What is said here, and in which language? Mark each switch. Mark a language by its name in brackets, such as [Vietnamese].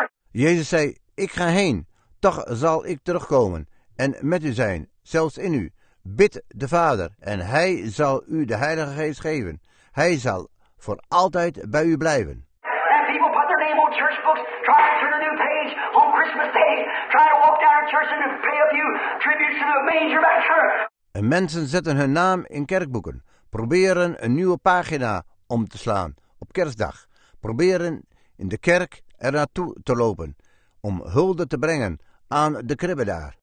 [Dutch] Jezus zei, ik ga heen, toch zal ik terugkomen en met u zijn, zelfs in u. Bid de Vader en hij zal u de Heilige Geest geven. Hij zal voor altijd bij u blijven. [English] And people put their name on church books, try to turn a new page on Christmas Day, try to walk down a church and pay a few tributes to the manger back there. [Dutch] En mensen zetten hun naam in kerkboeken, proberen een nieuwe pagina om te slaan op kerstdag, proberen in de kerk er naartoe te lopen om hulde te brengen aan de kribbe daar.